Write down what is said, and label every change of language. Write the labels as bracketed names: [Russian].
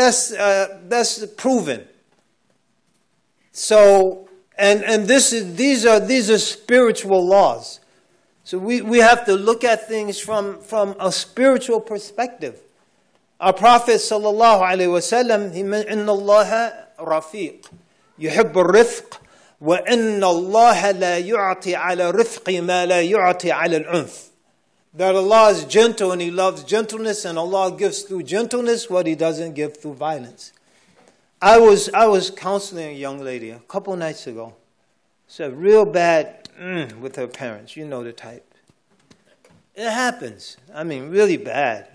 [English] That's proven. So, these are spiritual laws. So we have to look at things from a spiritual perspective. Our Prophet sallallahu alaihi wasallam, he meant [Arabic] إِنَّ اللَّهَ رَفِيق يُحِبُّ الرِّفْق وَإِنَّ اللَّهَ لَا يُعْطِي عَلَى رِفْقِ مَا لَا يُعْطِي عَلَى الْعُنْف. [English] That Allah is gentle and He loves gentleness, and Allah gives through gentleness what He doesn't give through violence. I was counseling a young lady a couple nights ago. She had real bad with her parents. You know the type. It happens. I mean, really bad.